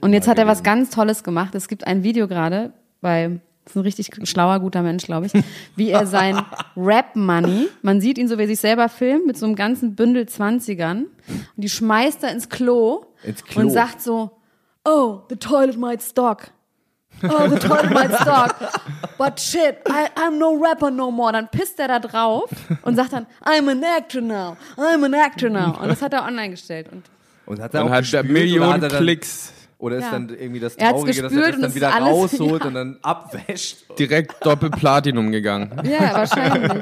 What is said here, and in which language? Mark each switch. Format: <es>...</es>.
<de>Und jetzt hat er was ganz Tolles gemacht. Es gibt ein Video gerade, bei, das ist ein richtig schlauer, guter Mensch, glaube ich, wie er sein Rap-Money, man sieht ihn so, wie er sich selber filmt, mit so einem ganzen Bündel 20ern, und die schmeißt er ins Klo und sagt so,</de> <en>oh, the toilet might stock. Oh, the toilet might stock. But shit, I'm no rapper no more.</en> <de>Dann pisst er da drauf und sagt dann,</de> <en>I'm an actor now.</en> <de>Und das hat er online gestellt. Und hat er auch gespült, Millionen oder Klicks. Oder ist dann irgendwie das Traurige, dass er das dann wieder alles rausholt und dann abwäscht. Direkt Doppelplatinum gegangen. Ja, wahrscheinlich.</de>